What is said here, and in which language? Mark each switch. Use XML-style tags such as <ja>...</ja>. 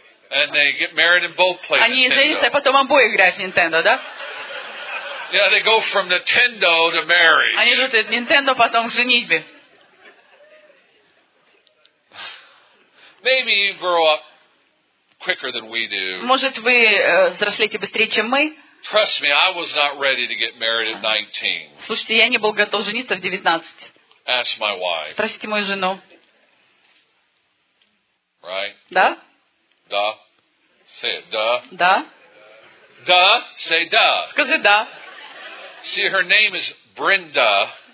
<en>And they get married and both play.</en> <ru>Они женятся, а потом обои играют в Nintendo, да?</ru> <en>Yeah, they go from Nintendo to marriage.</en> <ru>Они идут от Nintendo потом к женитьбе.</ru> <en>Maybe you grow up quicker than we do.</en> <ru>Может вы взрослеете быстрее, чем мы?</ru> <en>Trust me, I was not ready to get married at 19.</en> <ru>Слушайте, я не был готов жениться в 19.</ru> <en>Ask my wife.</en> <ru>Спросите мою жену.</ru> <en>Right?</en> <ru>Да?</ru> <en>Да. Say it. Да.</en> <ru>Да.</ru> <en>Да. Say да.</en> <ru>Скажи да.</ru> <en>See, her name is Brenda.</en>